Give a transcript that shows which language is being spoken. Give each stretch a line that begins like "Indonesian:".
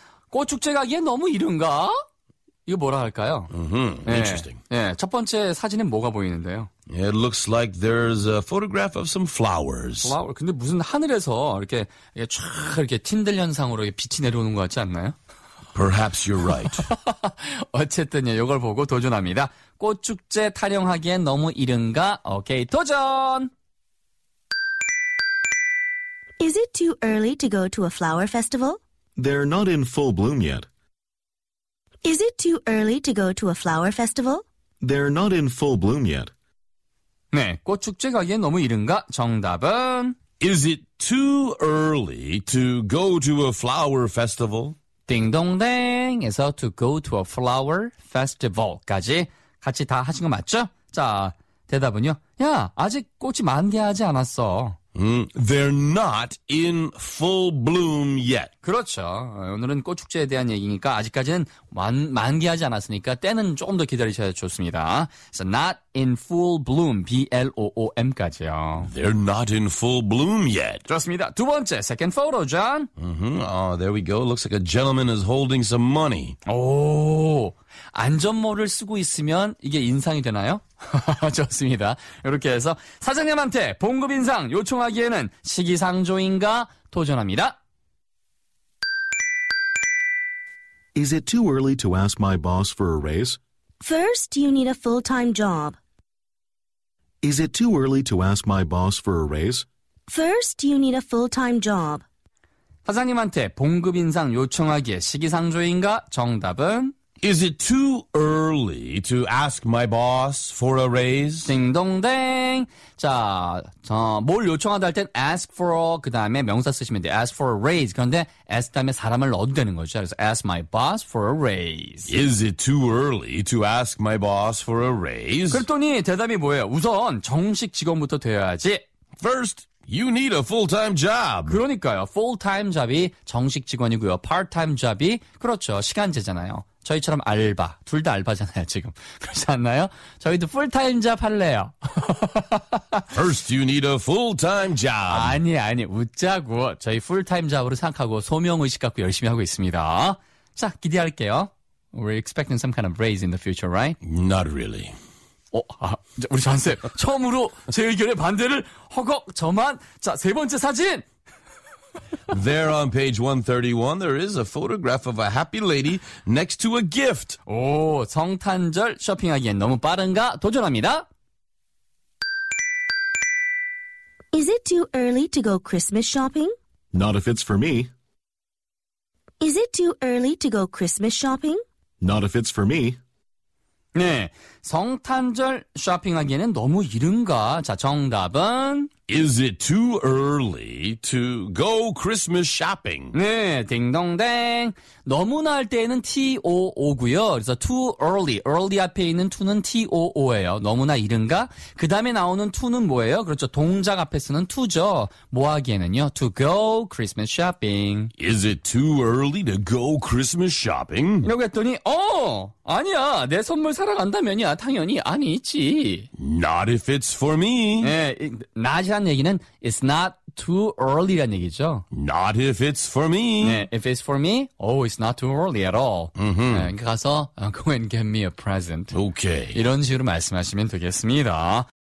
Korean: 꽃축제 가기엔 너무 이른가? 이거 뭐라 할까요? Mm-hmm. 네. Interesting. 네. 첫 번째 사진은 뭐가 보이는데요?
English: It looks like there's a photograph of some flowers.
Korean: 와, 근데 무슨 하늘에서 이렇게 촥 이렇게 틴들 현상으로 빛이 내려오는 것 같지 않나요?
English: Perhaps you're right.
Korean: 어쨌든요, 이걸 보고 도전합니다. 꽃축제 타령하기엔 너무 이른가? 오케이, 도전!
English: Is it too early to go to a flower festival? They're not in full bloom yet. Is it too early to go to a flower festival? They're not in full bloom yet.
Korean: 네, 꽃축제 가기엔 너무 이른가? 정답은?
English: Is it too early to go to a flower festival?
Korean: 딩동댕에서
English: to go to a flower festival
Korean: 까지 같이 다 하신 거 맞죠? 자, 대답은요. 야, 아직 꽃이 만개하지 않았어.
English: They're not in full bloom yet.
Korean: 그렇죠. 오늘은 꽃축제에 대한 얘기니까 아직까지는 만개하지 않았으니까 때는 조금 더 기다리셔야 좋습니다.
English: So not in full bloom, B-L-O-O-M까지요. They're not in full bloom yet.
Korean: 좋습니다. 두 번째,
English: second photo,
Korean: John.
English: There we go. Looks like a gentleman is holding some money.
Korean: 오, 안전모를 쓰고 있으면 이게 인상이 되나요? 좋습니다. 이렇게 해서 사장님한테 봉급 인상 요청하기에는 시기상조인가 도전합니다.
English: Is it too early to ask my boss for a raise? First, you need a full-time job. Is it too early to ask my boss for a raise? First, you need a full-time job.
Korean: 사장님한테 봉급 인상 요청하기에 시기상조인가 정답은
English: Is it too early to ask my boss for a raise?
Korean: 딩동댕. 자, 뭘 요청하다 할 땐
English: ask for,
Korean: 그 다음에 명사 쓰시면 돼.
English: Ask for a raise.
Korean: 그런데 ask 다음에 사람을 넣어도 되는 거죠. 그래서
English: ask my boss for a raise. Is it too early to ask my boss for a raise?
Korean: 그랬더니 대답이 뭐예요? 우선 정식 직원부터 되어야지.
English: First, you need a full-time job.
Korean: 그러니까요.
English: full-time job
Korean: 이 정식 직원이고요.
English: part-time job
Korean: 이, 그렇죠. 시간제잖아요. 저희처럼 알바. 둘 다 알바잖아요, 지금. 그렇지 않나요? 저희도 풀타임 잡 할래요.
English: First you need a full-time job.
Korean: 아니, 아니. 웃자고. 저희 풀타임 잡으로 생각하고 소명의식 갖고 열심히 하고 있습니다. 자, 기대할게요.
English: We're expecting some kind of raise in the future, right? Not really.
Korean: 어, 아, 우리 전쌤. 처음으로 제 의견에 반대를 허걱 저만. 자, 세 번째 사진.
English: There on page 131, there is a photograph of a happy lady next to a gift.
Korean: 오, 성탄절 쇼핑하기엔 너무 빠른가? 도전합니다.
English: Is it too early to go Christmas shopping? Not if it's for me. Is it too early to go Christmas shopping? Not if it's for me.
Korean: 네, 성탄절 쇼핑하기에는 너무 이른가? 자, 정답은
English: Is it too early to go Christmas shopping?
Korean: 네, 딩동댕. 너무나 할 때에는 T-O-O고요. 그래서
English: too early,
Korean: early 앞에 있는 to는 T-O-O예요. 너무나 이른가? 그 다음에 나오는 to는 뭐예요? 그렇죠, 동작 앞에 쓰는 to죠. 뭐 하기에는요?
English: To go Christmas shopping. Is it too early to go Christmas shopping?
Korean: 이러고 했더니, 어, 아니야, 내 선물 사랑한다면이야, 당연히 아니지.
English: Not if it's for me.
Korean: 네, 나 이란 얘기는
English: it's not too early
Korean: 라는 얘기죠.
English: Not if it's for me.
Korean: 네,
English: if it's for me, oh, it's not too early at all. Mm-hmm.
Korean: 네, 가서
English: go and get me a present. Okay.
Korean: 이런 식으로 말씀하시면 되겠습니다.